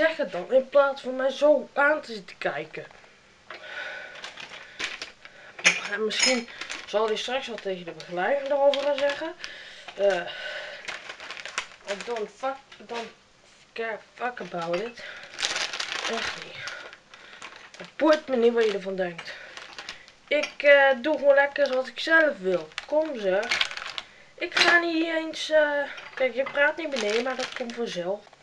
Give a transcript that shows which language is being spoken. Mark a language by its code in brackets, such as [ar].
[nl] Dan in plaats van mij zo aan te zitten kijken. En misschien zal hij straks wel tegen de begeleider erover gaan zeggen. [en] I don't care fuck about it. [nl] Echt niet. Het boeit me niet wat je ervan denkt. Ik doe gewoon lekker wat ik zelf wil. Kom zeg. Ik ga niet eens... Kijk, je praat niet beneden, maar dat komt vanzelf.